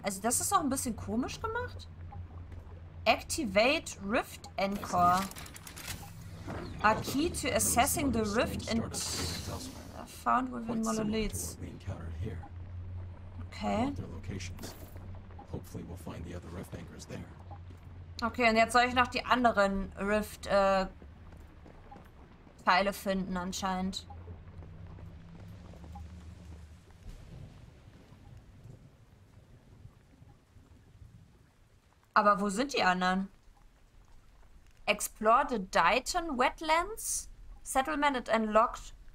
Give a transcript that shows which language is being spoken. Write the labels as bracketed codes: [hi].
[de] Also das ist auch ein bisschen komisch gemacht. [en] Activate Rift Encore. A key to assessing the rift and found within monoliths. Okay. Hopefully we'll find the other Rift Anchors there. [de] Okay, und jetzt soll ich noch die anderen Rift Pfeile finden anscheinend. Aber wo sind die anderen? [en] Explore the Dighton Wetlands Settlement and unlocked.